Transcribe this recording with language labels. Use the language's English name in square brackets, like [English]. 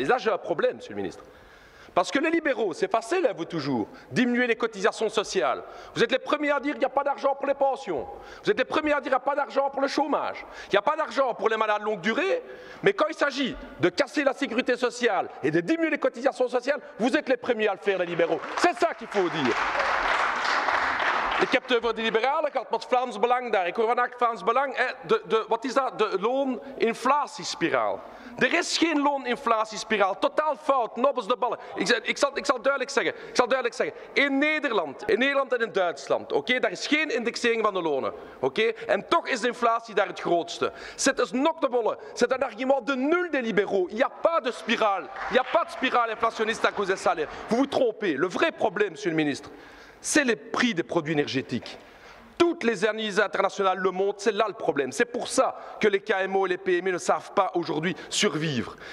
[French] Et là, j'ai un problème, monsieur le ministre. Parce que les libéraux, c'est facile, vous toujours, diminuer les cotisations sociales. Vous êtes les premiers à dire qu'il n'y a pas d'argent pour les pensions. Vous êtes les premiers à dire qu'il n'y a pas d'argent pour le chômage. Il n'y a pas d'argent pour les malades longue durée. Mais quand il s'agit de casser la sécurité sociale et de diminuer les cotisations sociales, vous êtes les premiers à le faire, les libéraux. C'est ça qu'il faut dire. [Dutch] Ik heb het over de liberalen gehad, met Vlaams Belang daar. Ik hoor vandaag Vlaams Belang. Wat is dat? De looninflatiespiraal. Er is geen looninflatiespiraal. Totaal fout. Nobbels de ballen. Ik zal duidelijk zeggen. In Nederland en in Duitsland, oké? Daar is geen indexering van de lonen, oké? En toch is de inflatie daar het grootste. [French] C'est un noc de bolle. C'est un argument de nul des libéraux. Il n'y a pas de spiraal. Il n'y a pas de spiraal inflationniste à cause des salaires. Vous vous trompez. Le vrai problème, monsieur le ministre, c'est les prix des produits énergétiques. Toutes les analyses internationales le montrent, c'est là le problème. C'est pour ça que les KMO et les PME ne savent pas aujourd'hui survivre.